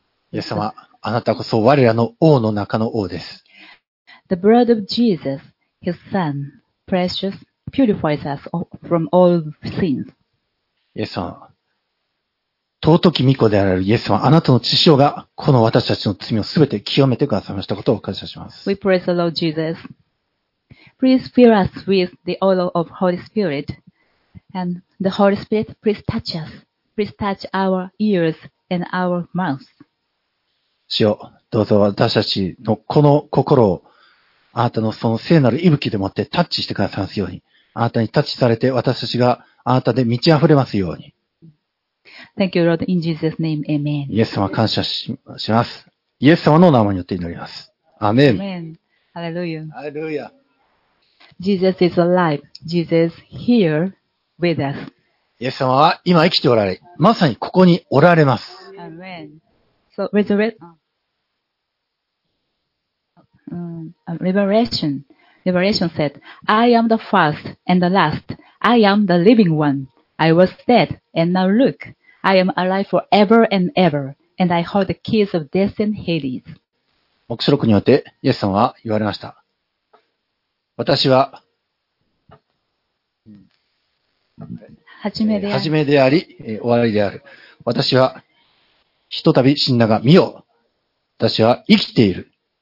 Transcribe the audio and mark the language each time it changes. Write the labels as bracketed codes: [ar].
[ja] イエス様、あなたこそ我らの王の中の王です。 [en] The blood of Jesus, his son, precious, purifies us from all sins. [ja] イエス様、尊き御子であられるイエス様、あなたの血潮がこの私たちの罪をすべて清めてくださいましたことを感謝します。 [en] We praise the Lord Jesus. Please fill us with the oil of Holy Spirit And the Holy Spirit, please touch us. Please touch our ears and our mouth. [ja] 主よ、どうぞ私たちのこの心をあなたのその聖なる息吹でもってタッチしてくださいますように。あなたにタッチされて私たちがあなたで満ち溢れますように。 [en] Thank you, Lord, in Jesus' name, Amen. [ja] イエス様感謝します。イエス様の名前によって祈ります。アメン。 [en] Amen. Hallelujah. Hallelujah. Jesus is alive. Jesus here with us. [ja] イエス様は今生きておられ、まさにここにおられます。 [en] Amen. So, Revelation. Revelation said, I am the first and the last. I am the living one. I was dead and now look. I am alive forever and ever, and I hold the keys of death and Hades. [ja] 黙示録によって、イエス様は言われました。私は、初めであり、終わりである。私は、ひとたび死んだが、見よ。私は生きている。